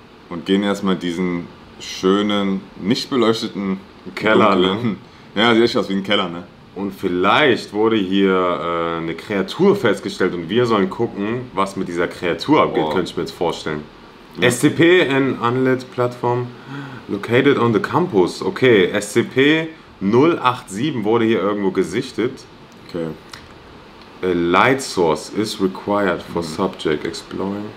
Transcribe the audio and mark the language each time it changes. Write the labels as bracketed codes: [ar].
[de] Und gehen erstmal diesen schönen, nicht beleuchteten Keller. Ne? Ja, sieht echt aus wie ein Keller, ne? Und vielleicht wurde hier eine Kreatur festgestellt und wir sollen gucken, was mit dieser Kreatur abgeht, könnte ich mir jetzt vorstellen. Ja. [en] SCP, an unlit platform, located on the campus. [de] Okay, SCP 087 wurde hier irgendwo gesichtet. Okay. [en] A light source is required for subject exploring.